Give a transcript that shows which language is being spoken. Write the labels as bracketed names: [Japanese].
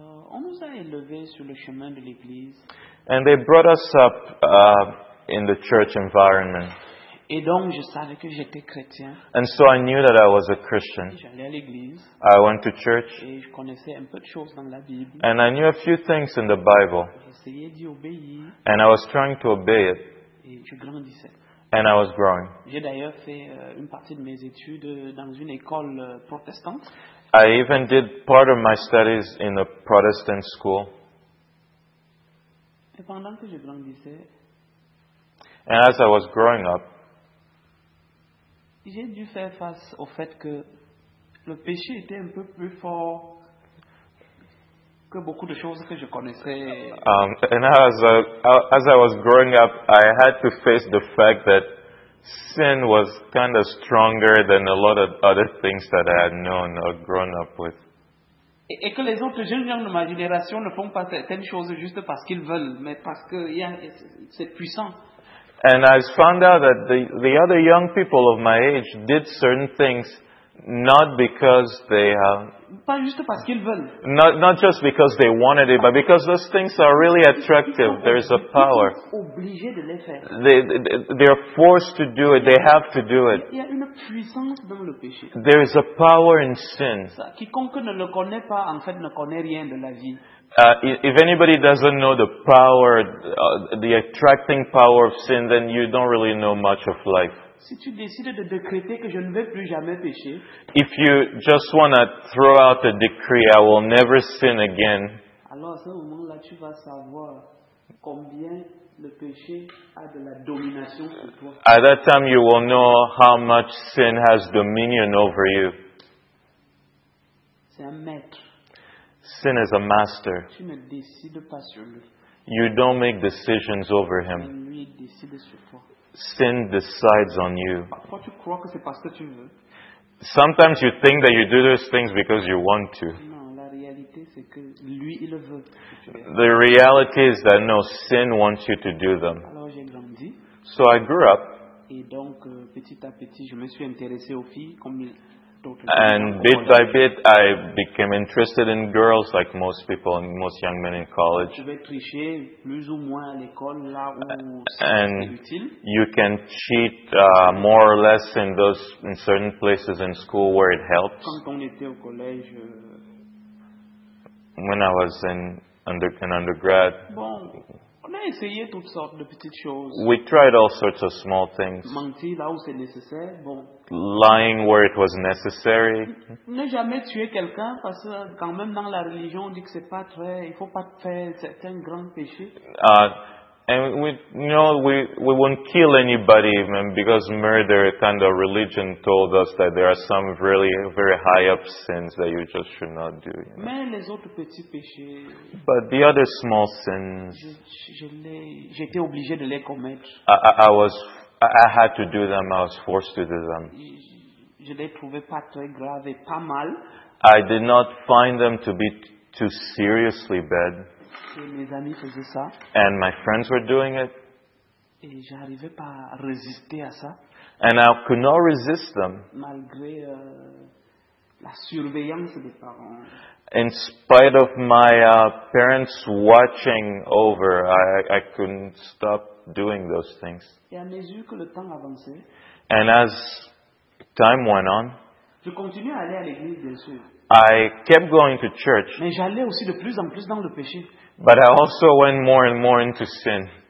[French] On nous a élevés sur le chemin de l'église. [English] And they brought us up in the church environment. [French] Et donc, je savais que j'étais chrétien. [English] And so I knew that I was a Christian. [French] J'allais à l'église. [English] I went to church. [French] Et je connaissais un peu de choses dans la Bible. [English] And I knew a few things in the Bible. [French] J'essayais d'y obéir. [English] And I was trying to obey it. [French] Et je grandissais. [English] And I was growing. [French] J'ai d'ailleurs fait une partie de mes études dans une école protestante. [English] I even did part of my studies in a Protestant school. [French] Et pendant que je grandissais, [English] and as I was growing up, [French] j'ai dû faire face au fait que le péché était un peu plus fort que beaucoup de choses que je connaissais. [English] As I was growing up, I had to face the fact that sin was kind of stronger than a lot of other things that I had known or grown up with. [French] Et que les autres jeunes gens de ma génération ne font pas certaines choses juste parce qu'ils veulent, mais parce que c'est puissant. [English] And I found out that the other young people of my age did certain things not because they [French] pas juste parce qu'ils veulent. [English] Not just because they wanted it, but because those things are really attractive. There is a power. [French] Ils sont obligés de les faire. [English] They are forced to do it. They have to do it. [French] Il y a une puissance dans le péché. [English] There is a power in sin. [French] Quiconque ne le connaît pas, en fait, ne connaît rien de la vie. [English] If anybody doesn't know the power, the attracting power of sin, then you don't really know much of life. [French] Si tu décides de décréter que je ne vais plus jamais pécher, [English] if you just want to throw out a decree, I will never sin again. [French] Alors à ce moment-là, tu vas savoir combien le péché a de la domination sur toi. [English] At that time, you will know how much sin has dominion over you. [French] C'est un maître. [English] Sin is a master. [French] Tu ne décides pas sur lui. [English] You don't make decisions over him. [French] Lui décide sur toi. [English] Sin decides on you. [French] Parfois, tu crois que c'est parce que tu veux. [English] Sometimes you think that you do those things because you want to. The reality is that no, sin wants you to do them. [French] Alors, j'ai grandi. [English] So I grew up. [French] Et donc, petit à petit, je me suis intéressé aux filles comme d'autres. [English] And bit by bit, I became interested in girls like most people and most young men in college. [French] Je vais tricher plus ou moins à l'école là où [English] and [French] c'est utile. [English] You can cheat more or less in those in certain places in school where it helps. [French] Quand on était au collège. [English] When I was in undergrad, [French] bon, on a essayé toutes sortes de petites choses. [English] We tried all sorts of small things. [French] Mentir là où c'est nécessaire, bon. [English] Lying where it was necessary. [French] Ne jamais tuer quelqu'un parce que quand même dans la religion on dit que c'est pas très, il faut pas faire certains grands péchés. [English] And we, you know, we won't kill anybody, man, because murder, kind of religion, told us that there are some really very high up sins that you just should not do. You know? [French] Mais les autres petits péchés, [English] but the other small sins, [French] j'étais obligé de les commettre. [English] I had to do them. I was forced to do them. [French] Je les trouvais pas très graves, pas mal. [English] I did not find them to be too seriously bad. [French] Et mes amis faisaient ça. [English] And my friends were doing it. [French] Et j'arrivais pas à résister à ça. [English] And I could not resist them. [French] Malgré la surveillance des parents. [English] In spite of my parents watching over, I couldn't stop doing those things. [French] Et à mesure que le temps avançait, [English] and as time went on, [French] je continuais à aller à l'église, bien sûr. [English] I kept going to church. [French] Mais j'allais aussi de plus en plus dans le péché. [English] But I also went more and more into sin.